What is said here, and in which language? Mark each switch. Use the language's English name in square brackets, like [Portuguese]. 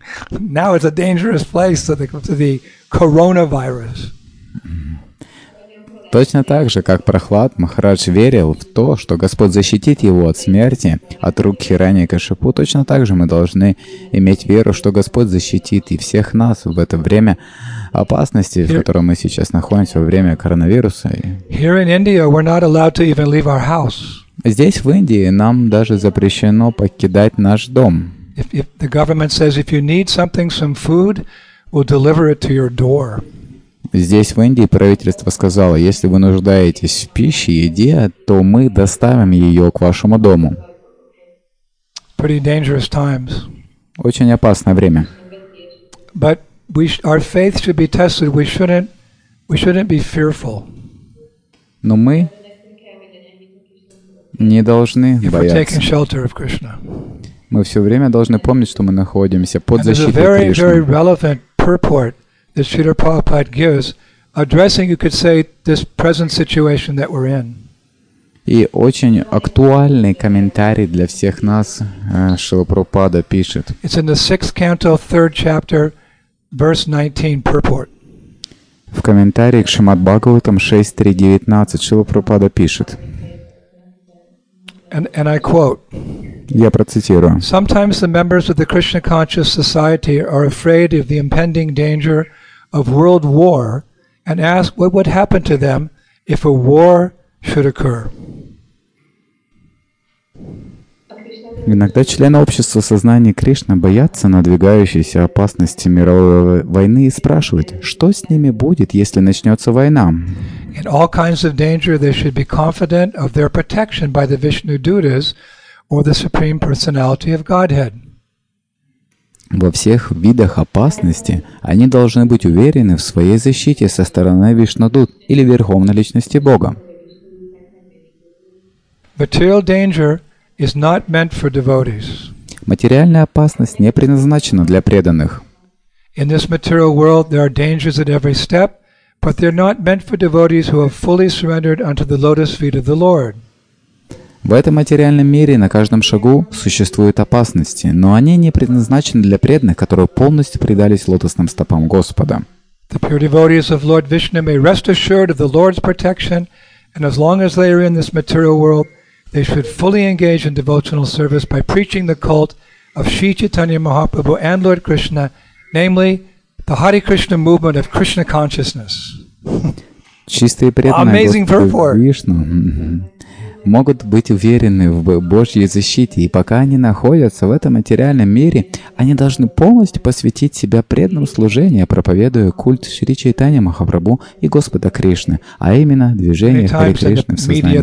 [English] Now it's a dangerous place to the coronavirus. [Russian] Точно так же, как Прохлад Махарадж верил в то, что Господь защитит его от смерти, от рук Хираньякашипу, точно так же мы должны иметь веру, что Господь защитит и всех нас в это время опасности, в котором мы сейчас находимся, во время коронавируса. [English] Here in India, we're not allowed to even leave our house. [Russian] Здесь, в Индии, нам даже запрещено покидать наш дом. [English] If the government says, if you need something, some food, we'll deliver it to your door. [Russian] Здесь, в Индии, правительство сказало, если вы нуждаетесь в пище, еде, то мы доставим ее к вашему дому. [English] Pretty dangerous times. [Russian] Очень опасное время. [English] But our faith should be tested. We shouldn't be fearful. [Russian] Но мы не должны бояться. [English] If we're taking shelter of Krishna. [Russian] Мы все время должны помнить, что мы находимся под защитой Кришны. [English] There's a very, very relevant purport that Śrīla Prabhupāda gives, addressing, you could say, this present situation that we're in. [Russian] И очень актуальный комментарий для всех нас Шрила Прабхупада пишет. [English] It's in the sixth canto, third chapter, verse 19, purport. [Russian] В комментарии к Шримад Бхагаватам 6.3.19 Шрила Прабхупада пишет. [English] And I quote. [Russian] Я процитирую. [English] Sometimes the members of the Krishna conscious society are afraid of the impending danger of world war and ask what would happen to them if a war should occur. [Russian] Иногда члены общества сознания Кришны боятся надвигающейся опасности мировой войны и спрашивают, что с ними будет, если начнется война. [English] In all kinds of danger, they should be confident of their protection by the Vishnu Dutas or the Supreme Personality of Godhead. [Russian] Во всех видах опасности они должны быть уверены в своей защите со стороны Вишнадут или Верховной Личности Бога. [English] Material danger is not meant for devotees. [Russian] Материальная опасность не предназначена для преданных. [English] In this material world there are dangers at every step, but they're not meant for devotees who have fully surrendered unto the lotus feet of the Lord. [Russian] В этом материальном мире на каждом шагу существуют опасности, но они не предназначены для преданных, которые полностью предались лотосным стопам Господа. [English] The pure devotees of Lord Vishnu may rest assured of the Lord's protection, and as long as they are in this material world, they should fully engage in devotional service by preaching the cult of Sri Chaitanya Mahaprabhu and Lord Krishna, namely, the Hare Krishna movement of Krishna consciousness. [Russian] Чистые преданные Вишну могут быть уверены в Божьей защите, и пока они находятся в этом материальном мире, они должны полностью посвятить себя преданному служению, проповедуя культ Шри Чайтанья Махапрабху и Господа Кришны, а именно движение Хари Кришны в сознании